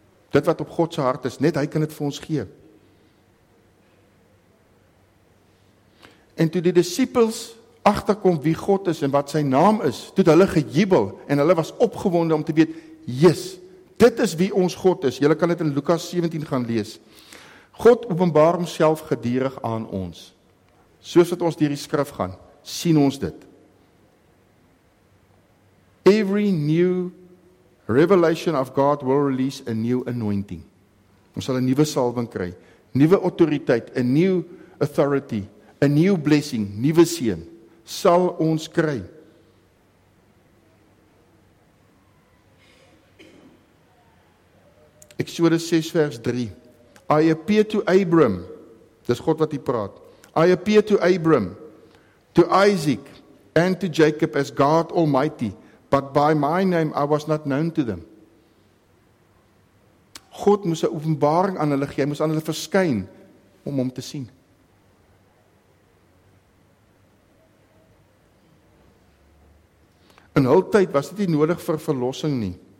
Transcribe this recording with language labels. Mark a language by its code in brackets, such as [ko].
[af] Dit wat op God se hart is, net hy kan dit vir ons gee. En toe die disippels agterkom wie God is en wat sy naam is, toe het hulle gejubel en hulle was opgewonde om te weet, Jesus, dit is wie ons God is. Julle kan dit in Lukas 17 gaan lees. God openbaar homself gedurig aan ons. Soos wat ons deur die skrif gaan, sien ons dit. [en] Every new revelation of God will release a new anointing. [af] Ons sal 'n nuwe salwing kry, nuwe autoriteit, 'n new authority, 'n new blessing, nuwe seën sal ons kry. Exodus 6 vers 3. [en] I appeared to Abram. [af] Dis God wat hier praat. [en] I appeared to Abram, to Isaac, and to Jacob as God Almighty, but by my name I was not known to them. [af] God moes 'n openbaring aan hulle gee, hy moes aan hulle verskyn om hom te sien. In hul tyd was dit nie nodig vir verlossing nie.